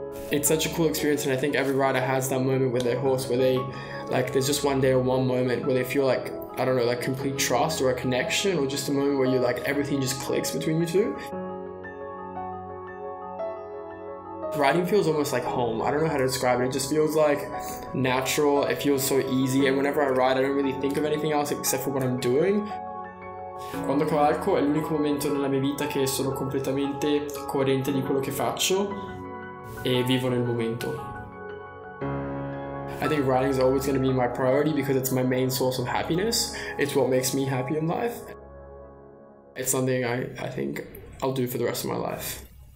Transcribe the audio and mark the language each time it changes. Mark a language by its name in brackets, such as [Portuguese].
[English] It's such a cool experience, and I think every rider has that moment with their horse where they, like, there's just one day or one moment where they feel like, I don't know, like complete trust or a connection, or just a moment where you're like, everything just clicks between you two. Riding feels almost like home. I don't know how to describe it. It just feels like natural. It feels so easy. And whenever I ride, I don't really think of anything else except for what I'm doing. [Italian] Quando cavalco è l'unico momento nella mia vita che sono completamente coerente di quello che faccio. E vivo nel momento. [English] I think riding is always going to be my priority because it's my main source of happiness. It's what makes me happy in life. It's something I think I'll do for the rest of my life.